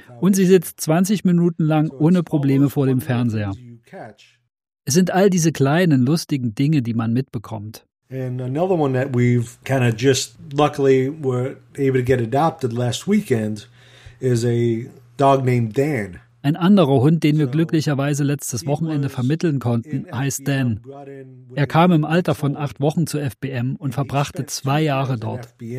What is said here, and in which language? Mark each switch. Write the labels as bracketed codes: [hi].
[de] Und sie sitzt 20 Minuten lang ohne Probleme vor dem Fernseher. Es sind all diese kleinen, lustigen Dinge, die man mitbekommt. [en] And another one that we've kind of just luckily were able to get adopted last weekend is a dog named Dan. [de] Ein anderer Hund, den wir glücklicherweise letztes Wochenende vermitteln konnten, heißt Dan. Er kam im Alter von 8 Wochen zu FBM und verbrachte 2 Jahre dort.